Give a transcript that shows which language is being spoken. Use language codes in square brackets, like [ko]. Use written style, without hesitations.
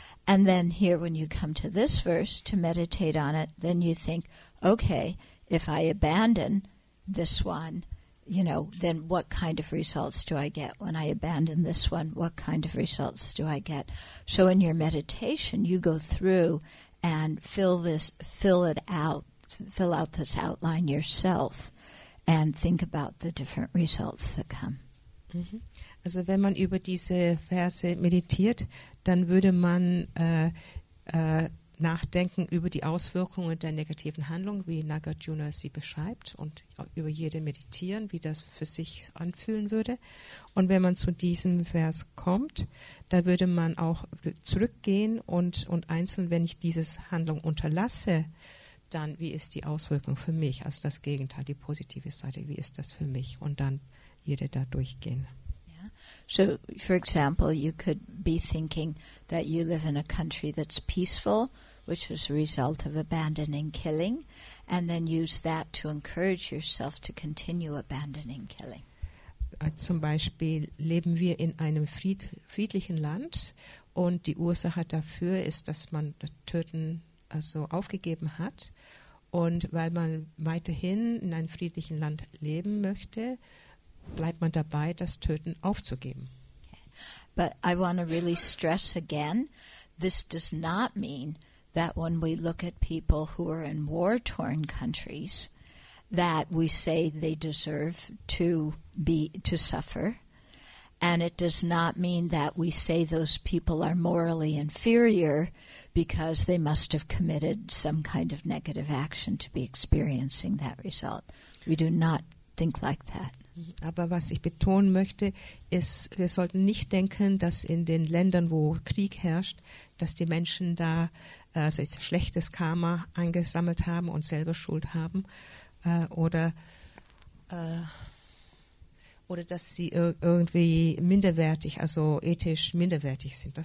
[en] And then here, when you come to this verse to meditate on it, then you think, okay, if I abandon this one, you know, then what kind of results do I get? When I abandon this one, what kind of results do I get? So in your meditation, you go through and fill out this outline yourself and think about the different results that come. Mm-hmm. [de] Also wenn man über diese Verse meditiert, dann würde man nachdenken über die Auswirkungen der negativen Handlung, wie Nagarjuna sie beschreibt, und über jede meditieren, wie das für sich anfühlen würde. Und wenn man zu diesem Vers kommt, da würde man auch zurückgehen und einzeln, wenn ich dieses Handlung unterlasse, dann wie ist die Auswirkung für mich, also das Gegenteil, die positive Seite, wie ist das für mich, und dann jede da durchgehen. [en] So, for example, you could be thinking that you live in a country that's peaceful, which was a result of abandoning killing, and then use that to encourage yourself to continue abandoning killing. [de] Zum Beispiel leben wir in einem friedlichen Land, und die Ursache dafür ist, dass man das Töten also aufgegeben hat, und weil man weiterhin in einem friedlichen Land leben möchte, bleibt man dabei, das Töten aufzugeben. [en] Okay. But I want to really stress again, this does not mean that when we look at people who are in war-torn countries, that we say they deserve to suffer. And it does not mean that we say those people are morally inferior because they must have committed some kind of negative action to be experiencing that result. We do not think like that. [de] Aber was ich betonen möchte, ist, wir sollten nicht denken, dass in den Ländern, wo Krieg herrscht, dass die Menschen da also schlechtes Karma angesammelt haben und selber Schuld haben, oder dass sie irgendwie minderwertig, also ethisch minderwertig sind.